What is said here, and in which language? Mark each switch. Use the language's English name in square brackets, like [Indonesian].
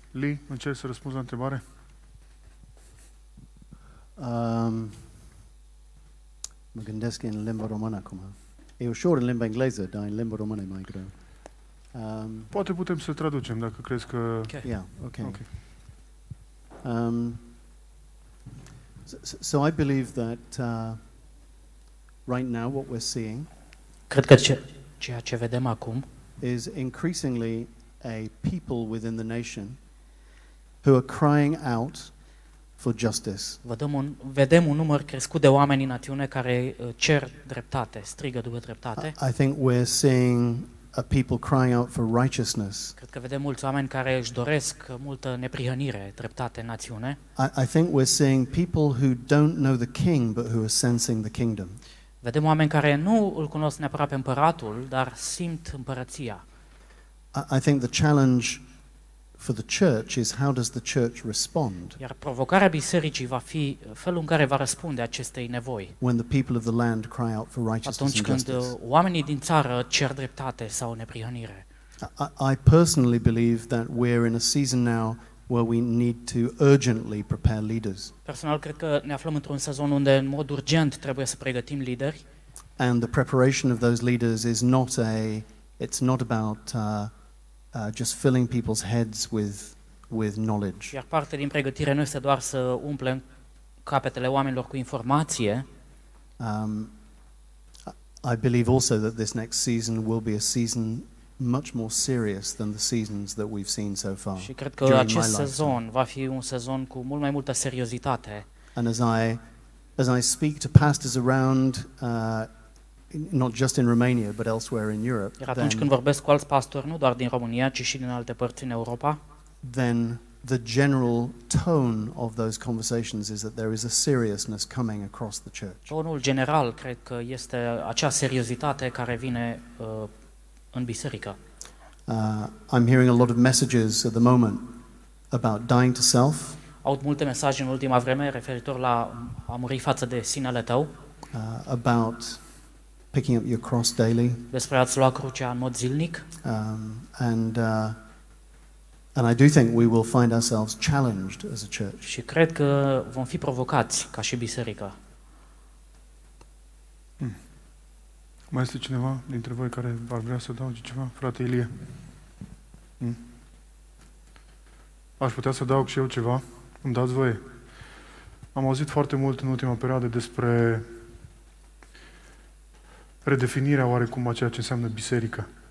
[Romanian] Lee, încerci să răspunzi la întrebare? Mă gândesc în limba română acum. E ușor în limba engleză, dar în limba română e mai greu. Poate putem să traducem dacă crezi că... [English] Okay. Yeah, okay. Okay. So I believe that right now what we're seeing... [Romanian] Cred că ceea ce vedem acum... [English] ...is increasingly a people within the nation who are crying out... for justice. [Romanian] Vedem un număr crescut de oameni în națiune care cer dreptate, strigă după dreptate. [English] I think we're seeing a people crying out for righteousness. [Romanian] Cred că vedem mulți oameni care își doresc multă neprihănire, dreptate în națiune. [English] I think we're seeing people who don't know the king but who are sensing the kingdom. [Romanian] Vedem oameni care nu îl cunosc neapărat pe împăratul, dar simt împărăția. [English] I think the challenge for the church is how does the church respond? [Romanian] Iar provocarea bisericii va fi felul în care va răspunde acestei nevoi. [English] When the people of the land cry out for righteousness. [Romanian] Atunci când oamenii din țară cer dreptate sau neprihănire. [English] I personally believe that we're in a season now where we need to urgently prepare leaders. [Romanian] Personal cred că ne aflăm într-un sezon unde în mod urgent trebuie să pregătim lideri. [English] And the preparation of those leaders is not about just filling people's heads with knowledge. [Romanian] Iar parte din pregătire nu este doar să umplem capetele oamenilor cu informație. [English] I believe also that this next season will be a season much more serious than the seasons that we've seen so far. [Romanian] Și cred că acest sezon va fi un sezon cu mult mai multă seriozitate. [English] And as I speak to pastors around not just in Romania but elsewhere in Europe. [Romanian] Iar atunci când vorbesc cu alți pastori, nu doar din România, ci și din alte părți în Europa, [English] then the general tone of those conversations is that there is a seriousness coming across the church. [Romanian] Tonul general cred că este acea seriozitate care vine în biserică. [English] I'm hearing a lot of messages at the moment about dying to self. [Romanian] Aud multe mesaje în ultima vreme referitor la a muri față de sinele tău. [English] About picking up your cross daily. [Romanian] Despre a-ți lua crucea în mod zilnic. [English] And I do think we will find ourselves challenged as a church. [Romanian] Și cred că vom fi provocați ca și biserică. Mai este cineva dintre voi care ar vrea să adauge ceva? Frate Ilie. Aș putea să adaug și eu ceva? Îmi dați voie. Am auzit foarte mult în ultima perioadă despre redefinirea oarecum a ceea ce înseamnă biserică.